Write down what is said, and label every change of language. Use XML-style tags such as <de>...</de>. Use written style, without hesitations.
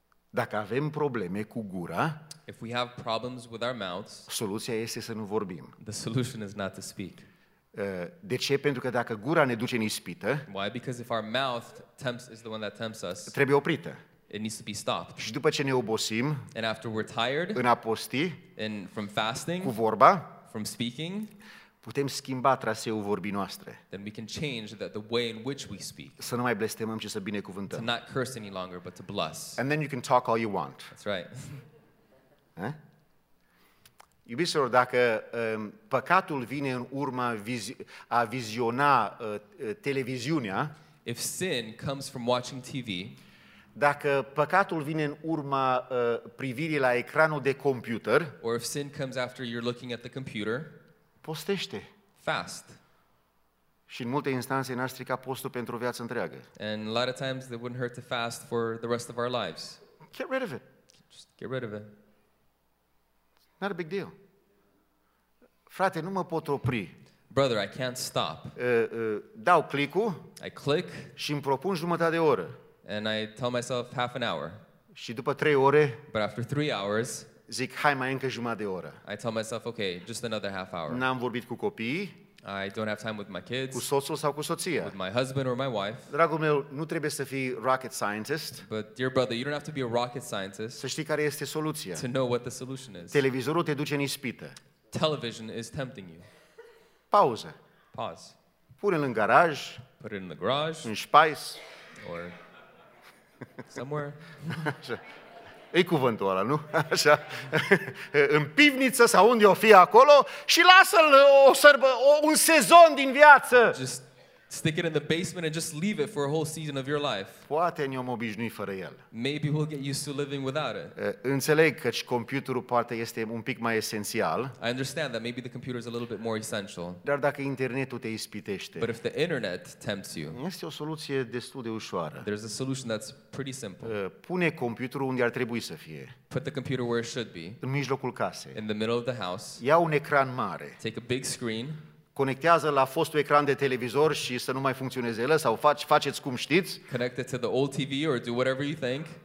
<ro>Dacă avem probleme cu gura,</ro> <en>if we have problems with our mouths,</en> <ro>soluția este să nu vorbim.</ro> <en>The solution is not to speak.</en> <ro>De ce? Pentru că dacă gura ne duce în ispită,</ro> <en>why? Because if our mouth tempts, is the one that tempts us,</en> <ro>trebuie oprită.</ro> <en>It needs to be stopped.</en> <ro>Și după ce ne obosim,</ro> <en>and after we're tired,</en> <ro>în a posti,</ro> <en>and from fasting,</en> <ro>cu vorba,</ro> <en>from speaking,</en> <ro>putem schimba traseul vorbii noastre.</ro> <en>Then we can change the way in which we speak.</en> <ro>Să nu mai blestemăm, ci să binecuvântăm.</ro> <en>To not curse any longer, but to bless. And then you can talk all you want. That's right.</en> <ro>Iubiților, dacă păcatul vine în urma a viziona televiziunea,</ro> <en>if sin comes from watching TV,</en> <ro>dacă păcatul vine în urma privirii la ecranul de computer,</ro> <en>or if sin comes after you're looking at the computer,</en> <ro>postește.</ro> <en>Fast.</en> <ro>Și în multe instanțe n-ar strica postul pentru o viață întreagă.</ro> <en>And a lot of times it wouldn't hurt to fast for the rest of our lives. Get rid of it. Just get rid of it. Not a big deal.</en> <ro>Frate, nu mă pot opri.</ro> <en>Brother, I can't stop.</en> <ro>Dau click-ul.</ro> <en>I click.</en> <ro>Și îmi propun jumătate de oră.</ro> <en>And I tell myself half an hour.</en> <ro>Și după 3 ore.</ro> <en>But after 3 hours.</en> <ro>Zic, hai mai încă jumătate de oră.</ro> <en>I tell myself, okay, just another half hour.</en> <ro>N-am vorbit cu copiii.</ro> <en>I don't have time with my kids.</en> <ro>Cu soțul sau cu soția.</ro> <en>With my husband or my wife.</en> <ro>Dragul meu, nu trebuie să fii</ro> <en>rocket scientist. But dear brother, you don't have to be a rocket scientist.</en> <ro>Să știi care este soluția.</ro> <en>To know what the solution is.</en> <ro>Televizorul te duce în ispită.</ro> <en>Television is tempting you.</en> <ro>Pauză.</ro> <en>Pause.</en> <ro>Pune-l în garaj.</ro> <en>Put it in the garage.</en> <ro>În spice.</ro> <en>Or somewhere.</en> <ro>E cuvântul ăla, nu? Așa. În pivniță sau unde o fi acolo și lasă-l un sezon din viață.</ro> <en>Just stick it in the basement and just leave it for a whole season of your life.</en> <ro>Poate ne-am obișnuit fără el.</ro> <en>Maybe we'll get used to living without it.</en> <ro>Înțeleg că și computerul poate este un pic mai esențial.</ro> <en>I understand that maybe the computer is a little bit more essential.</en> <ro>Dar dacă internetul te ispitește.</ro> <en>But if the internet tempts you.</en> <ro>Este o soluție destul de ușoară.</ro> <en>There's a solution that's pretty simple.</en> <ro>Pune computerul unde ar trebui să fie.</ro> <en>Put the computer where it should be.</en> <ro>În mijlocul casei.</ro> <en>In the middle of the house.</en> <ro>Ia un ecran mare.</ro> <en>Take a big screen.</en> <ro>Conectează la fostul ecran de televizor și să nu mai funcționeze el sau faceți cum știți.</ro> <en>Connect it to the old TV or do whatever you think.</en>